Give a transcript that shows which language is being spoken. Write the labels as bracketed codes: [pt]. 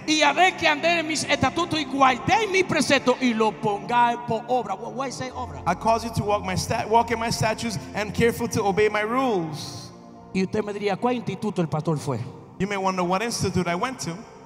[es] Y haré que ande en mis estatutos y guardé mis preceptos y lo pongáis por obra. [en] Why say obra? I cause you to walk in my statutes and careful to obey my rules. [es] Y usted me diría, ¿cuál instituto el pastor fue? [en] You may wonder what institute I went to.